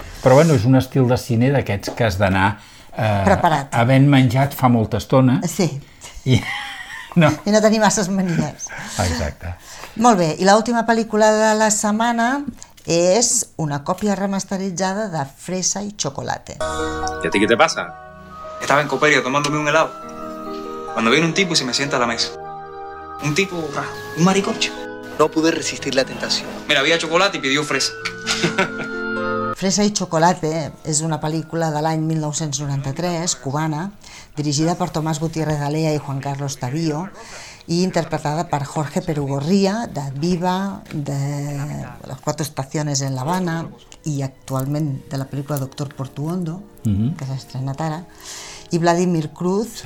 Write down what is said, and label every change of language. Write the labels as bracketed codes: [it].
[ca] Però bueno, és un estil de cine d'aquests que has d'anar preparat, havent menjat fa molta estona. Sí. I no tenir masses manies. Exacte. Molt bé, i l'última pel·lícula de la setmana és una còpia remasteritzada de Fresa i Chocolate. [es] ¿Y a ti qué te pasa? Estaba en Coperio tomándome un helado cuando viene un tipo y se me sienta a la mesa. Un tipo, un maricocho. No pude resistir la tentación. Mira, había chocolate y pidió fresa. [ca] Fresa i Chocolate és una pel·lícula de l'any 1993, cubana, dirigida per Tomás Gutiérrez Alea i Juan Carlos Tavío i interpretada per Jorge Perugorría, de Viva, de Las Cuatro Estaciones en La Habana i actualment de la pel·lícula Doctor Portuondo, que s'ha estrenat ara, i Vladimir Cruz...